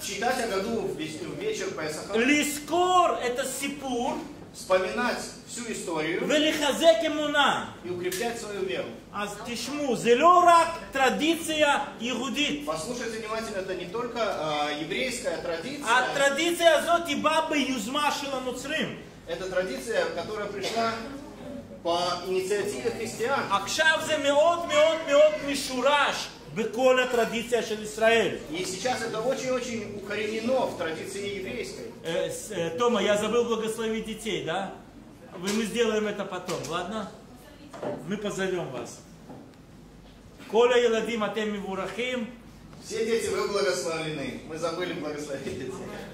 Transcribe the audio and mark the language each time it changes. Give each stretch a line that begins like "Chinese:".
Russian: читать агаду вечер Песаха,
Hebrew: לזכור את הסיפור,
Russian: вспоминать всю историю,
Hebrew: ולחזק אמונה,
Russian: и укреплять свою веру.
Hebrew: אז תשמעו, זה לא רק традиция יהודית.
Russian: Послушайте внимательно, это не только еврейская традиция. А традиция
Hebrew: הזאת היא ביוזמה של הנוצרים.
Russian: Это традиция, которая пришла по инициативе христиан.
Hebrew: עכשיו זה מאוד מאוד מאוד משורש בכל הטרדיציה של ישראל.
Russian: И сейчас это очень-очень укоренено в традиции еврейской. Тома, я забыл благословить детей, да? Мы сделаем это потом, ладно? Мы позовем вас.
Hebrew: Коля и Ладим, атем и вурахим.
Russian: Все дети, вы благословлены. Мы забыли благословить детей.